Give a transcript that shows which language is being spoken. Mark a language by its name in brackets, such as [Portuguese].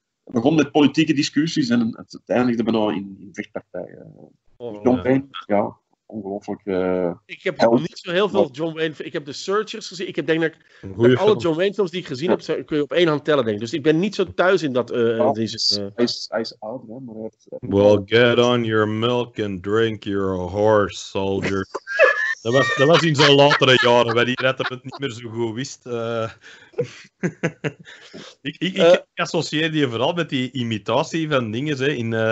[Dutch] Het begon met politieke discussies en het eindigde bijna in vechtpartijen. John Wayne, ongelooflijk. Ik heb niet zo heel veel John Wayne. Ik heb The Searchers gezien. Ik heb denk ik dat alle John Wayne films die ik gezien heb, kun je op één hand tellen, denk ik. Dus ik ben niet zo thuis in dat. Hij is oud, hè? Maar [English] well, get on your milk and drink your horse, soldier. [Dutch] dat was in zijn latere jaren, waar hij het niet meer zo goed wist. ik associeer die vooral met die imitatie van dingen, hè, in...